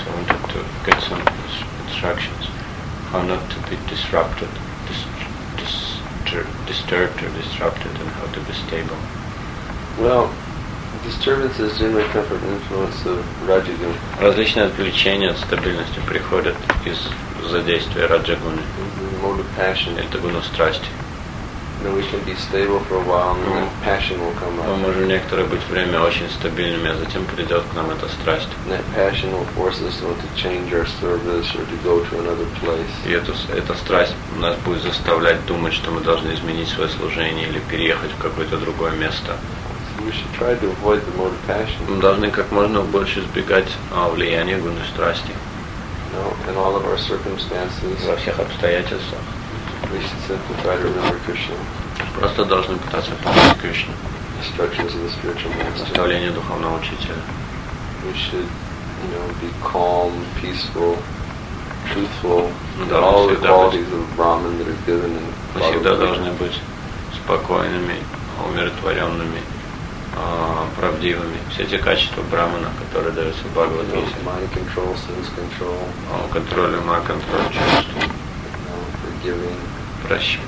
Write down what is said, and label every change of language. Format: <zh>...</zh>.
<en>So I wanted to get some instructions how not to be disturbed or disrupted and how to be stable. Well, disturbances generally come from influence of Rajaguna.</en> <ru>Различные отвлечения от стабильности приходят из задействия Раджагуны.</ru> <en>Mode of passion.</en> <ru>Это гуна страсти.</ru> <en>Then we can be stable for a while, and then passion will come up.</en> <ru>Мы можем некоторое быть время очень стабильными, а затем придет к нам эта страсть.</ru> <en>And that passion will force us to change our service or to go to another place.</en> <ru>И эта страсть нас будет заставлять думать, что мы должны изменить свое служение или переехать в какое-то другое место.</ru> <en>We should try to avoid the mode of passion.</en> <ru>Мы должны как можно больше избегать влияния гуны страсти.</ru> <en>No, in all of our circumstances.</en> <ru>Во всех обстоятельствах.</ru> <en>We should simply try to remember Krishna.</en> <ru>Просто должны пытаться помнить Кришну.</ru> <en>Instructions of the spiritual master.</en> <ru>Наставление духовного учителя.</ru> <en>We should, you know, be calm, peaceful, truthful. All the qualities of Brahman that are given in.</en> <ru>Мы всегда должны быть спокойными, умиротворенными. Правдивыми. Все эти качества Брахмана, которые даются в Бхагавадгите.</ru> <en>Mind control, sense control.</en> <ru>Контроль ума, контроль чувств.</ru> <en>Forgiving.</en>